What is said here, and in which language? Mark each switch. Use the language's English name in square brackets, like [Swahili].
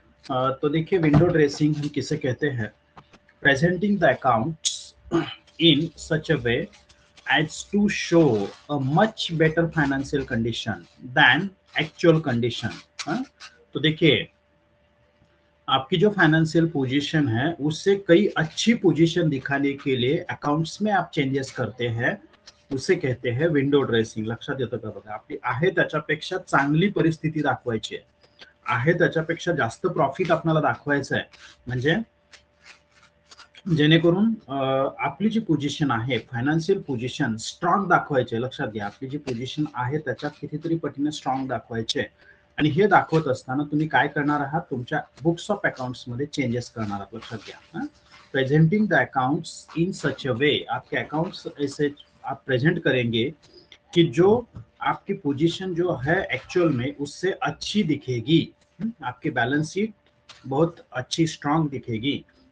[Hindi] तो देखिए window dressing हम किसे कहते हैं, [English] Presenting the accounts in such a way as to show a much better financial condition than actual condition. [Hindi] तो देखिए आपकी जो फाइनेंशियल पोजीशन है उससे कई अच्छी पोजीशन दिखाने के लिए अकाउंट्स में आप चेंजेस करते हैं, उसे कहते हैं विंडो ड्रेसिंग। [Marathi] लक्षात येतं का बघा, आपली आहे त्याच्यापेक्षा चांगली परिस्थिती दाखवायची आहे, आहे त्याच्यापेक्षा जास्त प्रॉफिट आपल्याला दाखवायचं आहे, म्हणजे जेणेकरून आपली जी पोजिशन आहे फायनान्शियल पोजिशन स्ट्रॉंग दाखवायचे। लक्षात घ्या, आपली जी पोजिशन आहे त्याच्यात कितीतरी पटीने स्ट्रॉंग दाखवायचे, आणि हे दाखवत असताना तुम्ही काय करणार आहात, तुमच्या बुक्स ऑफ अकाउंट्स मध्ये चेंजेस करणार आहात। लक्षात घ्या, [English] presenting the accounts in such a way, [Hindi] आपके अकाउंट्स ऐसे आप प्रेजेंट करेंगे कि जो आपकी पोजीशन जो है एक्चुअल में उससे अच्छी दिखेगी, आपकी बैलेंस शीट बहुत अच्छी स्ट्रांग दिखेगी।